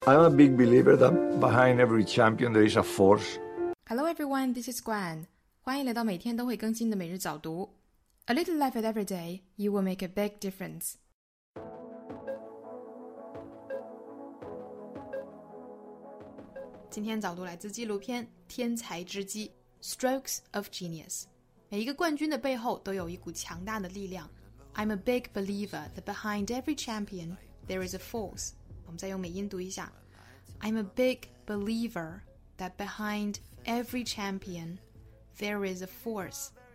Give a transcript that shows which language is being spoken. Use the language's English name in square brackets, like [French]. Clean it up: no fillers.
[English] I'm a big believer that behind every champion there is a force. Hello everyone, this is Gwen. [Chinese] 欢迎来到每天都会更新的每日早读。 [English] A little life every day, you will make a big difference. [Chinese] Today's 早读来自纪录片《天才之机》（Strokes of Genius）。每一个冠军的背后都有一股强大的力量。 [English] I'm a big believer that behind every champion there is a force. [Chinese] 我们再用美音读一下。 [English] I'm a big believer that behind every champion there is a force.